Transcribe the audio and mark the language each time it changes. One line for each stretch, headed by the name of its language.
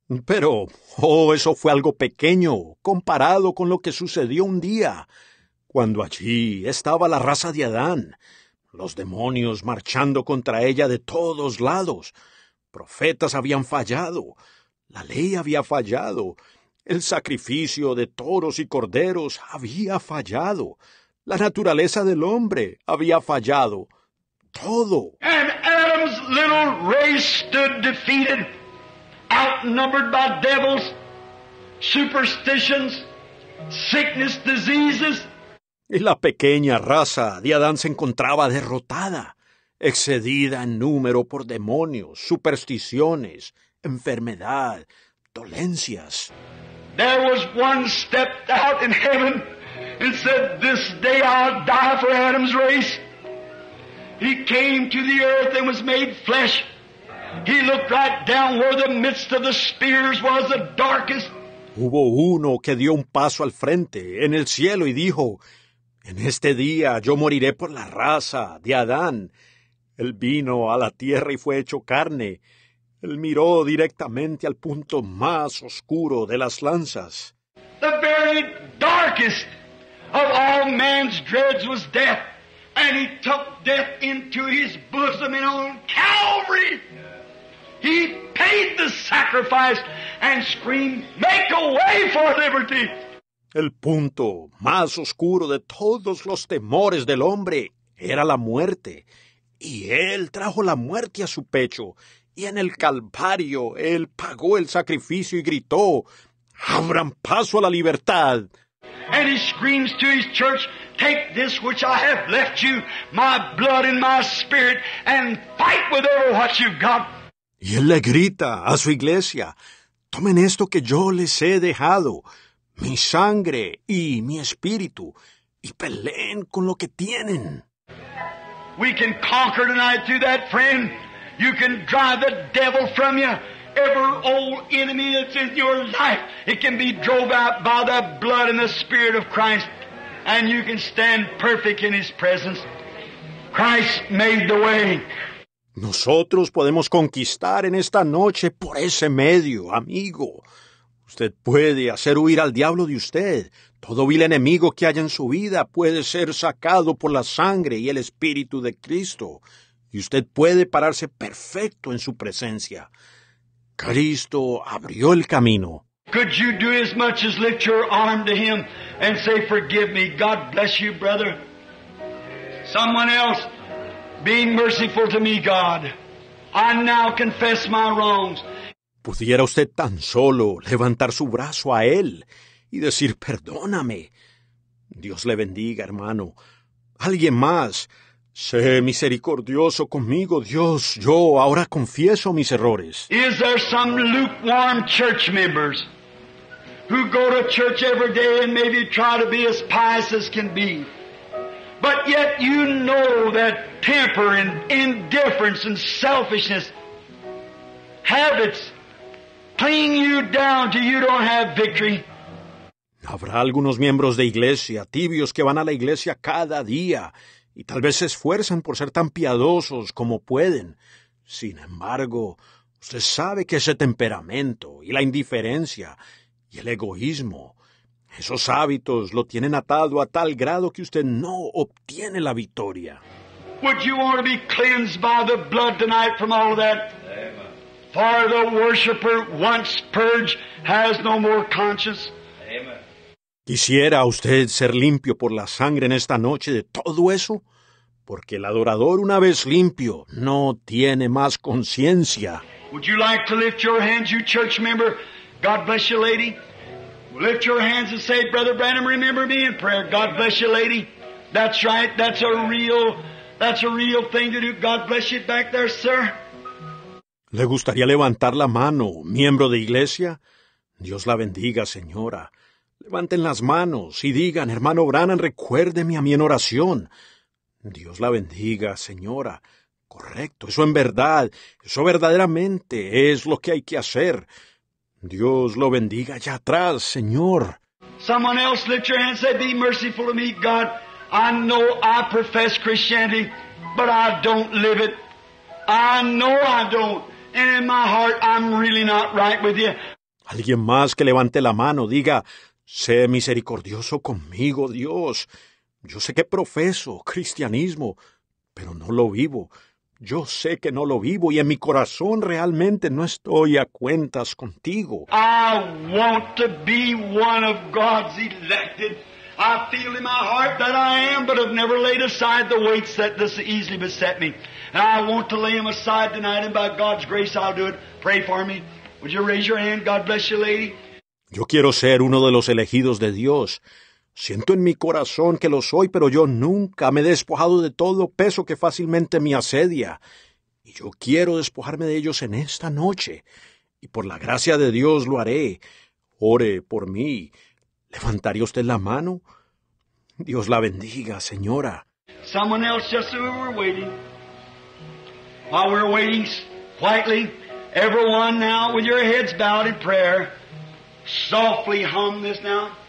Spanish: Pero, oh, eso fue algo pequeño comparado con lo que sucedió un día, cuando allí estaba la raza de Adán, los demonios marchando contra ella de todos lados, profetas habían fallado, la ley había fallado. El sacrificio de toros y corderos había fallado. La naturaleza del hombre había fallado. Todo.
English: And Adam's little race stood defeated, outnumbered by devils, superstitions, sickness, diseases.
Spanish: Y la pequeña raza de Adán se encontraba derrotada, excedida en número por demonios, supersticiones, enfermedad, dolencias.
English: There was one stepped out in heaven and said, this day I'll die for Adam's race. He came to the earth and was made flesh. He looked right down where the midst of the spears was the darkest.
Spanish: Hubo uno que dio un paso al frente en el cielo y dijo, en este día yo moriré por la raza de Adán. Él vino a la tierra y fue hecho carne. Él miró directamente al punto más oscuro de las lanzas.
English: The very darkest of all man's dreads was death, and he took death into his bosom in on Calvary. He paid the sacrifice and screamed, "Make a way for liberty."
Spanish: El punto más oscuro de todos los temores del hombre era la muerte. Y él trajo la muerte a su pecho. Y en el Calvario, él pagó el sacrificio y gritó, "Abran paso a la libertad."
English: And he screams to his church, "Take this which I have left you, my blood and my spirit, and fight with all what you've got."
Spanish: Y él le grita a su iglesia, "Tomen esto que yo les he dejado, mi sangre y mi espíritu, y peleen con lo que tienen."
English: We can conquer tonight through that, friend. You can drive the devil from you. Every old enemy that's in your life, it can be drove out by the blood and the Spirit of Christ, and you can stand perfect in His presence. Christ made the way.
Spanish: Nosotros podemos conquistar en esta noche por ese medio, amigo. Usted puede hacer huir al diablo de usted. Todo vil enemigo que haya en su vida puede ser sacado por la sangre y el Espíritu de Cristo. Y usted puede pararse perfecto en su presencia. Cristo abrió el camino.
English: Could you do as much as lift your arm to Him and say, "Forgive me"? God bless you, brother. Someone else, be merciful to me, God. I now confess my wrongs.
Spanish: ¿Pudiera usted tan solo levantar su brazo a Él y decir, "Perdóname"? Dios le bendiga, hermano. Alguien más, sé misericordioso conmigo, Dios. Yo ahora confieso mis errores.
English: Is there some lukewarm church members who go to church every day and maybe try to be as pious as can be, but yet you know that temper and indifference and selfishness, habits, clinging you down till you don't have victory?
Spanish: Habrá algunos miembros de iglesia tibios que van a la iglesia cada día y tal vez se esfuerzan por ser tan piadosos como pueden. Sin embargo, usted sabe que ese temperamento y la indiferencia y el egoísmo, esos hábitos lo tienen atado a tal grado que usted no obtiene la victoria.
English: Would you want to be cleansed by the blood tonight from all of that? For the worshiper, once purged, has no more conscience.
Spanish: ¿Quisiera usted ser limpio por la sangre en esta noche de todo eso? Porque el adorador, una vez limpio, no tiene más conciencia.
English: Would you like to lift your hands, you church member? God bless you, lady. Lift your hands and say, "Brother Branham, remember me in prayer." God bless you, lady. That's right. That's a real thing to do. God bless you back there, sir.
Spanish: ¿Le gustaría levantar la mano, miembro de iglesia? Dios la bendiga, señora. Levanten las manos y digan, "Hermano Branham, recuérdeme a mí en oración." Dios la bendiga, señora. Correcto, eso en verdad, eso verdaderamente es lo que hay que hacer. Dios lo bendiga allá atrás, señor.
English: Someone else lift your hands and say, "Be merciful to me, God. I know I profess Christianity, but I don't live it. I know I don't. And in my heart, I'm really not right with you."
Spanish: Alguien más que levante la mano, diga, "Sé misericordioso conmigo, Dios. Yo sé que profeso cristianismo, pero no lo vivo. Yo sé que no lo vivo y en mi corazón realmente no estoy a cuentas contigo."
English: I want to be one of God's elected. I feel in my heart that I am, but I've never laid aside the weights that this easily beset me. And I want to lay them aside tonight, and by God's grace I'll do it. Pray for me. Would you raise your hand? God bless you, lady.
Spanish: Yo quiero ser uno de los elegidos de Dios. Siento en mi corazón que lo soy, pero yo nunca me he despojado de todo peso que fácilmente me asedia. Y yo quiero despojarme de ellos en esta noche. Y por la gracia de Dios lo haré. Ore por mí. ¿Levantaría usted la mano? Dios la bendiga, señora.
English: Someone else, just as we were waiting. While we're waiting quietly, everyone now with your heads bowed in prayer, softly hum this now.